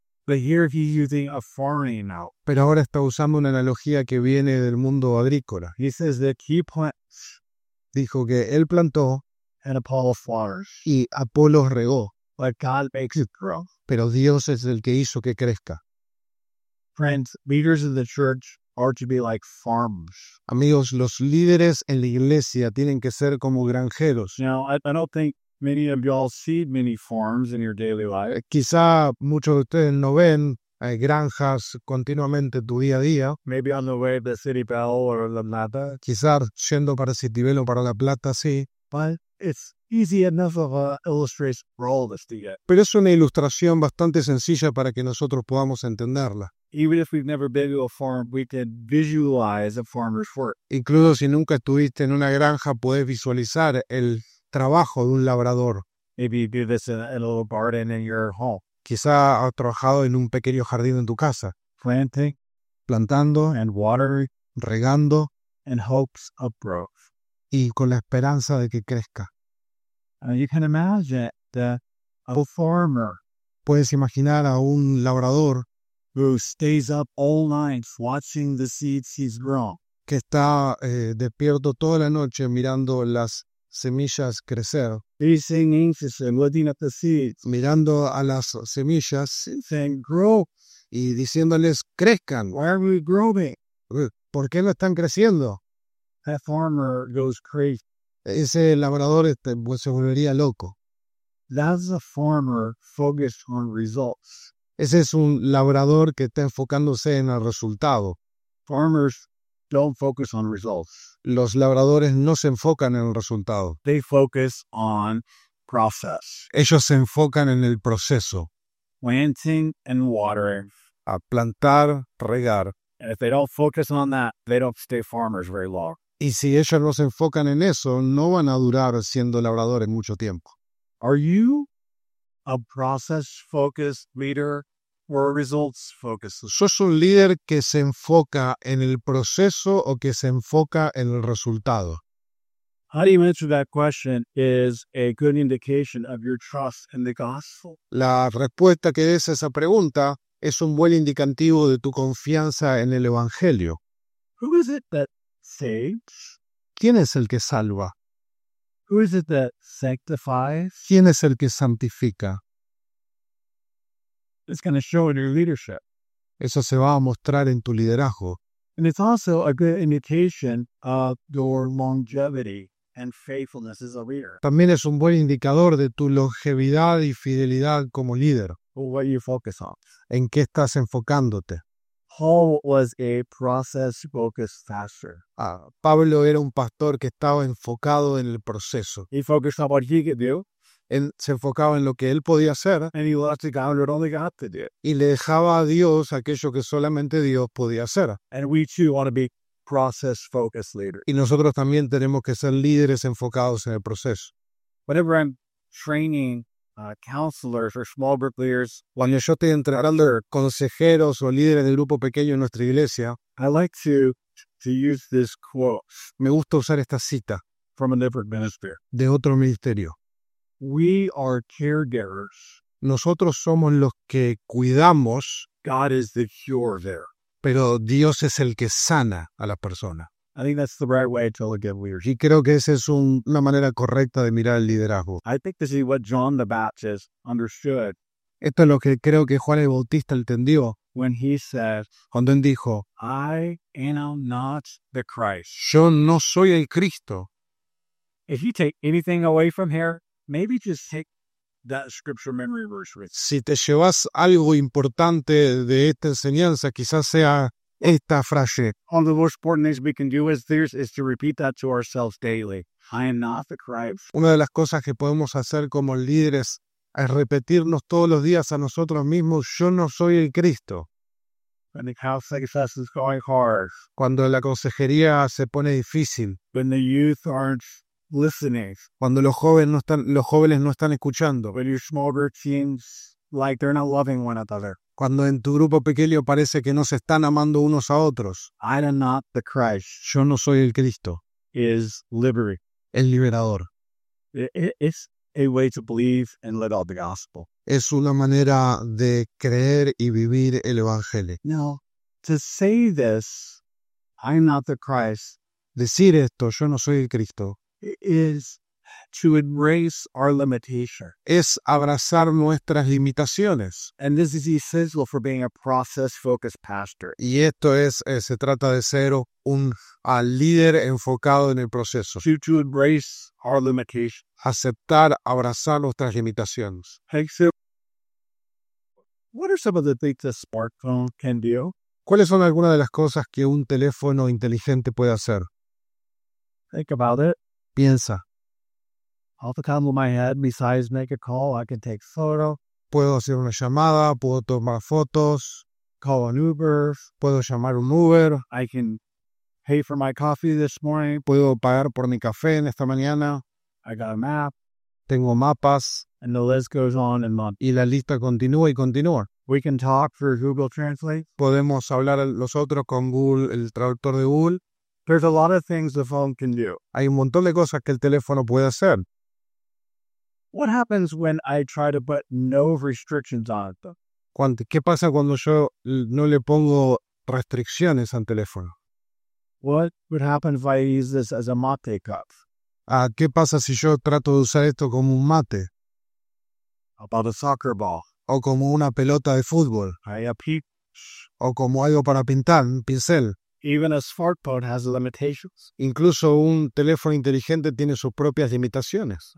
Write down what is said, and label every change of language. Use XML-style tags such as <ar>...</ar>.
<en>But here he's using a farming analogy.</en> <es>Pero ahora está usando una analogía que viene del mundo agrícola.</es> <en>He says that he plants.</en> <es>Dijo que él plantó.</es> <en>And Apollos waters.</en> <es>Y Apolos regó.</es> <en>But God makes it grow.</en> <es>Pero Dios es el que hizo que crezca.</es> <en>Friends, leaders of the church are to be like farmers.</en> <es>Amigos, los líderes en la iglesia tienen que ser como granjeros.</es> <en>Now, I don't think many of y'all see many farms in your daily life.</en> <es>Quizá muchos de ustedes no ven granjas continuamente tu día a día.</es> <en>Maybe on the way to City Bell or La Plata.</en> <es>Quizá yendo para City Bell o para La Plata, sí.</es> <en>But it's easy enough of an illustration for all of us to get.</en> <es>Pero es una ilustración bastante sencilla para que nosotros podamos entenderla.</es> <en>Even if we've never been to a farm, we can visualize a farmer's work.</en> <es>Incluso si nunca estuviste en una granja, puedes visualizar el trabajo de un labrador.</es> <en>Maybe you do this in a little garden in your home.</en> <es>Quizá has trabajado en un pequeño jardín en tu casa.</es> <en>Planting.</en> <es>Plantando.</es> <en>And watering.</en> <es>Regando.</es> <en>And hopes of growth.</en> <es>Y con la esperanza de que crezca.</es> <en>You can imagine that a farmer.</en> <es>Puedes imaginar a un labrador.</es> <en>Who stays up all night watching the seeds he's grown.</en> <es>Que está despierto toda la noche mirando las semillas crecer.</es> <en>Facing anxiously and looking at the seeds.</en> <es>Mirando a las semillas.</es> <en>Saying, grow.</en> <es>Y diciéndoles, crezcan.</es> <en>Why are we growing?</en> <es>¿Por qué no están creciendo?</es> <en>That farmer goes crazy.</en> <es>Ese labrador se volvería loco.</es> <en>That's a farmer focused on results.</en> <es>Ese es un labrador que está enfocándose en el resultado.</es> <en>Farmers don't focus on results.</en> <es>Los labradores no se enfocan en el resultado.</es> <en>They focus on process.</en> <es>Ellos se enfocan en el proceso.</es> <en>Planting and watering.</en> <es>A plantar, regar.</es> <en>And if they don't focus on that, they don't stay farmers very long.</en> <es>Y si ellos no se enfocan en eso, no van a durar siendo labradores mucho tiempo.</es> <en>Are you a process-focused leader or a results-focused leader?</en> <es>¿Sos un líder que se enfoca en el proceso o que se enfoca en el resultado?</es> <en>How do you answer that question is a good indication of your trust in the gospel.</en> <es>La respuesta que des a esa pregunta es un buen indicativo de tu confianza en el evangelio.</es> <en>Who is it that saves?</en> <es>¿Quién es el que salva?</es> <en>Who is it that sanctifies?</en> <es>¿Quién es el que santifica?</es> <en>It's going to show in your leadership.</en> <es>Eso se va a mostrar en tu liderazgo.</es> <en>And it's also a good indication of your longevity and faithfulness as a leader.</en> <es>También es un buen indicador de tu longevidad y fidelidad como líder.</es> <en>What you focus on.</en> <es>¿En qué estás enfocándote?</es> <en>Paul was a process-focused pastor.</en> <es>Pablo era un pastor que estaba enfocado en el proceso.</es> <en>He focused on what he could do.</en> <es>Se enfocaba en lo que él podía hacer.</es> <en>And he left to God what only God could do.</en> <es>Y le dejaba a Dios aquello que solamente Dios podía hacer.</es> <en>And we too want to be process-focused leaders.</en> <es>Y nosotros también tenemos que ser líderes enfocados en el proceso.</es> <en>Whenever I'm training counselors or small group leaders.</en> <es>Cuando yo estoy entrenando consejeros o líderes de grupo pequeño en nuestra iglesia,</es> <en>I like to use this quote.</en> <es>Me gusta usar esta cita</es> <en>from a different ministry.</en> <es>De otro ministerio.</es> <en>We are caregivers.</en> <es>Nosotros somos los que cuidamos.</es> <en>God is the cure there.</en> <es>Pero Dios es el que sana a la persona.</es> <en>I think that's the right way to look at leadership.</en> <es>Y creo que esa es una manera correcta de mirar el liderazgo.</es> <en>I think this is what John the Baptist understood.</en> <es>Esto es lo que creo que Juan el Bautista entendió.</es> <en>When he said,</en> <es>cuando él dijo,</es> <en>I am not the Christ.</en> <es>Yo no soy el Cristo.</es> <en>If you take anything away from here, maybe just take that scripture memory verse with you.</en> <es>Si te llevas algo importante de esta enseñanza, quizás sea esta frase.</es> <en>One of the most important things we can do as leaders is to repeat that to ourselves daily. I am not the Christ.</en> <es>Una de las cosas que podemos hacer como líderes es repetirnos todos los días a nosotros mismos, yo no soy el Cristo.</es> <en>When the counseling process is going hard.</en> <es>Cuando la consejería se pone difícil.</es> <en>When the youth aren't listening.</en> <es>Cuando los jóvenes no están escuchando.</es> <en>When your small group teams like they're not loving one another.</en> <es>Cuando en tu grupo pequeño parece que no se están amando unos a otros.</es> <en>I am not the Christ.</en> <es>Yo no soy el Cristo.</es> <en>Is liberty.</en> <es>El liberador.</es> <en>It's a way to believe and live out the gospel.</en> <es>Es una manera de creer y vivir el evangelio.</es> <en>Now, to say this, I am not the Christ.</en> <es>Decir esto, yo no soy el Cristo.</es> <en>Is to embrace our limitation.</en> <es>Es abrazar nuestras limitaciones.</es> <en>And this is essential for being a process-focused pastor.</en> <es>Y esto es, se trata de ser un líder enfocado en el proceso.</es> <en>To embrace our limitation.</en> <es>Aceptar, abrazar nuestras limitaciones.</es> <en>Hey, so what are some of the things a smartphone can do?</en> <es>¿Cuáles son algunas de las cosas que un teléfono inteligente puede hacer?</es> <en>Think about it.</en> <es>Piensa.</es> <en>off the top of my head, besides make a call, I can take photo.</en> <es>Puedo hacer una llamada, puedo tomar fotos.</es> <en>Call an Uber.</en> <es>Puedo llamar un Uber.</es> <en>I can pay for my coffee this morning.</en> <es>Puedo pagar por mi café en esta mañana.</es> <en>I got a map.</en> <es>Tengo mapas.</es> <en>And the list goes on and on.</en> <es>Y la lista continúa y continúa.</es> <en>We can talk through Google Translate.</en> <es>Podemos hablar nosotros con Google, el traductor de Google.</es> <en>There's a lot of things the phone can do.</en> <es>Hay un montón de cosas que el teléfono puede hacer.</es> <en>What happens when I try to put no restrictions on it, though?</en> <es>¿Qué pasa cuando yo no le pongo restricciones al teléfono?</es> <en>What would happen if I use this as a mate cup?</en> <es>¿Qué pasa si yo trato de usar esto como un mate?</es> <en>About a soccer ball.</en> <es>O como una pelota de fútbol.</es> <en>Hay a peach.</en> <es>O como algo para pintar, un pincel.</es> <en>Even a smartphone has limitations.</en> <es>Incluso un teléfono inteligente tiene sus propias limitaciones.</es>